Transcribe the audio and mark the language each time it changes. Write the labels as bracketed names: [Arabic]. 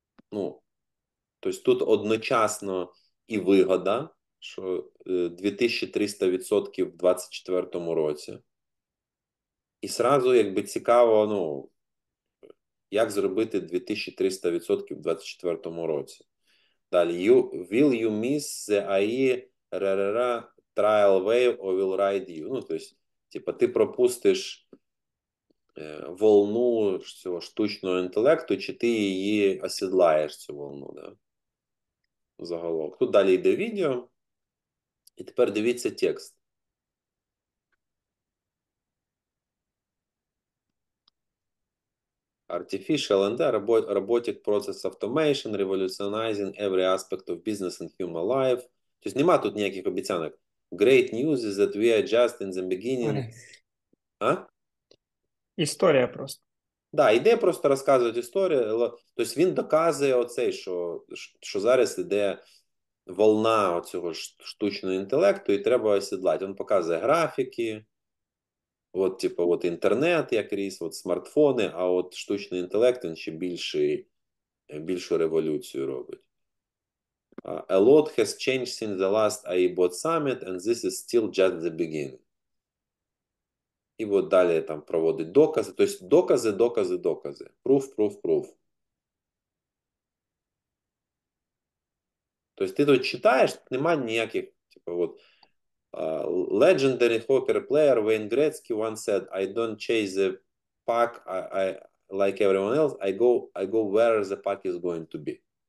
[Ukrainian] Ну, тобто тут одночасно і вигода, що 2300% в 2024 році. І сразу, якби цікаво, ну, як зробити 2300% в 2024 році. Далі, [English] will you miss the AI trial wave or will ride you? [Ukrainian] Ну, тобто, типу, ти пропустиш волну цього штучного інтелекту, чи ти її осідлаєш, цю волну, да? Заголовок. Тут далі йде відео. І тепер дивіться текст. [English] Artificial and robotic process automation revolutionizing every aspect of business and human life. [Ukrainian] Тобто нема тут ніяких обіцянок. [English] Great news is that we are just in the beginning. [Ukrainian] А? Історія просто. Да, іде просто розказувати історію. Тобто він доказує оцей, що зараз іде волна оцього штучного інтелекту, і треба осідлати. Він показує графіки, от, типу, от інтернет як ріс, от смартфони, а от штучний інтелект він ще більшу революцію робить. [English] A lot has changed since the last AIBot summit, and this is still just the beginning. [Ukrainian] І от далі там проводить докази. Тобто докази, докази, докази. [English] Proof, proof, proof. [Ukrainian] Тобто ти тут читаєш, немає ніяких, типу, [English] от legendary hockey player Wayne Gretzky once said, I don't chase the puck like everyone else, I go where the puck is going to be.